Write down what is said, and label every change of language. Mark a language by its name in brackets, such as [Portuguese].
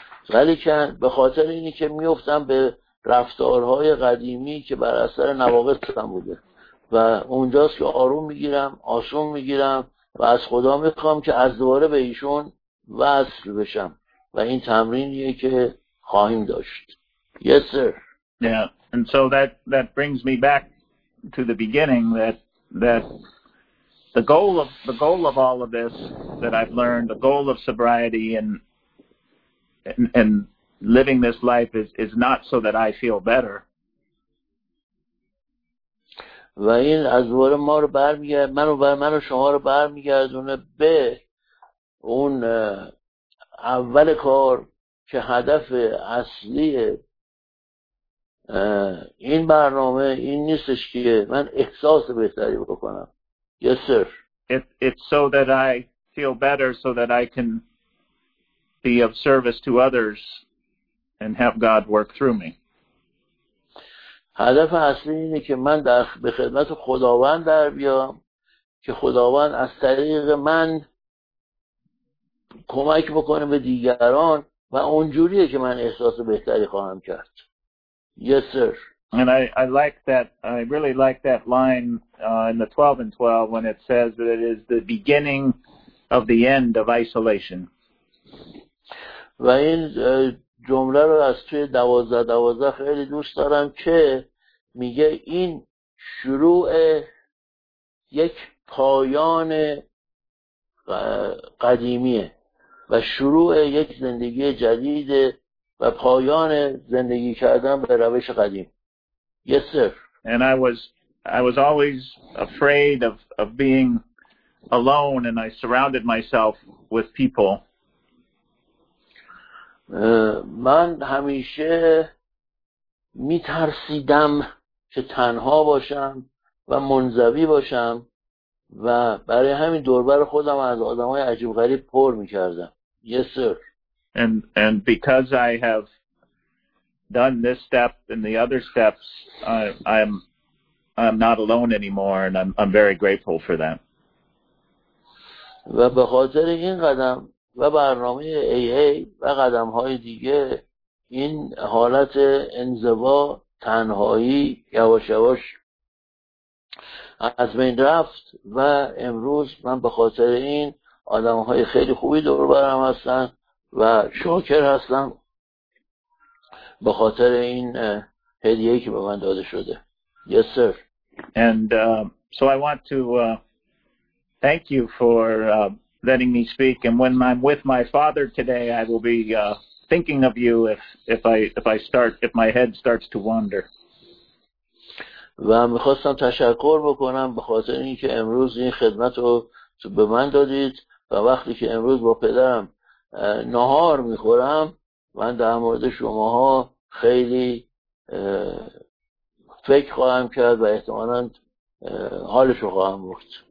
[Persian] ولی که به خاطر اینی که میفتم به رفتارهای قدیمی که بر اثر نواقصم بوده و اونجاست که آروم میگیرم، آسون میگیرم و از خدا میخوام که از دوباره به ایشون وصل بشم و این تمرینیه که خواهیم داشت. [English] Yes sir. Yeah, and so that brings me back to the beginning that the goal of all of this that I've learned, the goal of sobriety and living this life is not so that I feel better. [Persian] و این از دور ما رو برمیگرد، من و بر من و شما رو برمیگردونه به اون اول کار که هدف اصلی این برنامه این نیستش که من احساس بهتری بکنم. [English] Yes sir. It's so that I feel better so that I can be of service to others and have God work through me. [Persian] هدف اصلی اینه که من در به خدمت خداوند در بیام که خداوند از طریق من کمک بکنه به دیگران و اونجوریه که من احساس بهتری خواهم کرد. [English] Yes sir. And I like that, I really like that line in the 12 and 12 when it says that it is the beginning of the end of isolation. [Persian] و این جمله رو از توی 12-12 خیلی دوست دارم که میگه این شروع یک پایان قدیمیه و شروع یک زندگی جدید و پایان زندگی کردن به روش قدیم. [English] Yes sir. And I was always afraid of being alone and I surrounded myself with people. [Persian] من همیشه میترسیدم که تنها باشم و منزوی باشم و برای همین دوربر خودم از آدمای عجیب غریب پر می‌کردم. [English] Yes sir. And because I have done this step and the other steps, I'm not alone anymore and I'm very grateful for that. [Persian] و به خاطر این قدم و برنامه AA و قدم‌های دیگه این حالت انزوا تنهایی یواش یواش از بین رفت و امروز من به خاطر این آدم‌های خیلی خوبی دور برم هستن و شاکر هستم به خاطر این هدیه که به من داده شده. [English] Yes sir. And so I want to thank you for letting me speak, and when I'm with my father today I will be thinking of you if my head starts to wander. [Persian] و می‌خواستم تشکر بکنم به خاطر اینکه امروز این خدمت رو به من دادید و وقتی که امروز با پدرم نهار می‌خورم من در مورد شماها خیلی فکر خواهم کرد و احتمالاً حالش رو خواهم برد.